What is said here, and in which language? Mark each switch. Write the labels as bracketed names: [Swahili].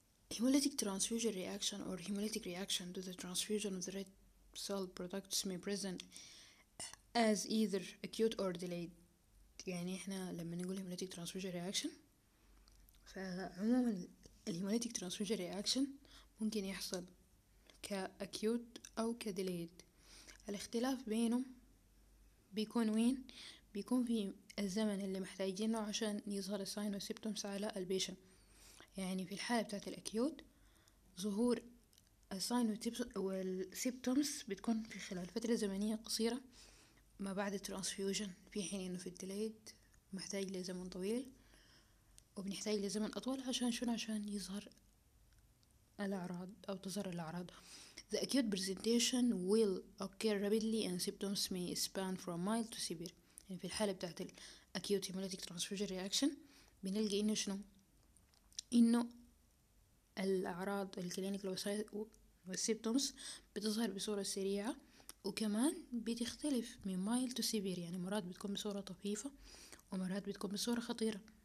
[English] Hemolytic transfusion reaction or hemolytic reaction to the transfusion of the red cell products may present as either acute or delayed. [Arabic] يعني احنا لما نقول [English] hemolytic transfusion reaction, [Arabic] فعموما الhemolytic transfusion reaction ممكن يحصل كأكيوت أو كديليد. الاختلاف بينهم بيكون وين؟ بيكون في الزمن اللي محتاجينه عشان يظهر الساين والسيبتومس على البيشن. يعني في الحالة بتاعت الأكيوت ظهور الساين والسيبتومس بتكون في خلال فترة زمنية قصيرة ما بعد الترانسفيوجن, في حين انه في الديليد محتاج لزمن طويل وبنحتاج لزمن أطول عشان شنو؟ عشان يظهر الأعراض أو تظهر الأعراض. [English] The acute presentation will occur rapidly and symptoms may span from mild to severe. [Arabic] يعني في الحالة بتاعت الـ acute hemolytic transfusion reaction بنلقي إنه شنو؟ إنه الأعراض الكلينيكال والسيبتومز بتظهر بصورة سريعة وكمان بتختلف من [English] mild to severe. [Arabic] يعني مرات بتكون بصورة طفيفة ومرات بتكون بصورة خطيرة.